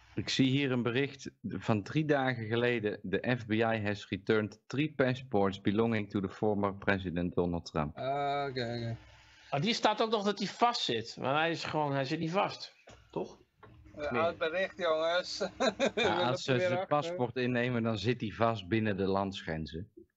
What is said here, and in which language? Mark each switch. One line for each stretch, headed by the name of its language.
Dutch: Ik zie hier een bericht van 3 dagen geleden.
English: De FBI has returned 3 passports belonging to the former president Donald Trump.
Dutch: Oké. Oh, die staat ook nog dat hij vast zit. Maar hij zit niet vast, toch? Oud bericht, jongens. Ja, als ze zijn paspoort innemen, dan zit hij vast binnen de landsgrenzen.